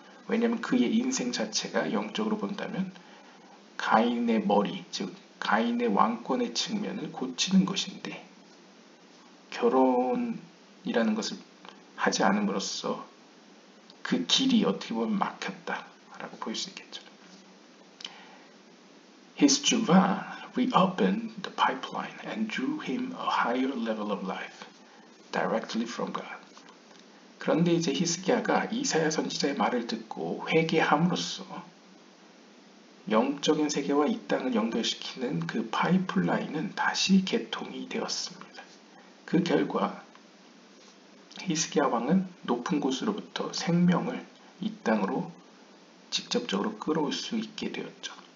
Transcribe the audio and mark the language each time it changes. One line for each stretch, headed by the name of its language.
Korean: 왜냐하면 그의 인생 자체가 영적으로 본다면 가인의 머리, 즉 가인의 왕권의 측면을 고치는 것인데 결혼이라는 것을 하지 않음으로써 그 길이 어떻게 보면 막혔다라고 볼 수 있겠죠.
English: His tshuva reopened the pipeline and drew him a higher level of life directly from God.
Korean: 그런데 이제 히스기야가 이사야 선지자의 말을 듣고 회개함으로써 영적인 세계와 이 땅을 연결시키는 그 파이프라인은 다시 개통이 되었습니다. 그 결과 히스기야 왕은 높은 곳으로부터 생명을 이 땅으로 직접적으로 끌어올 수 있게 되었죠.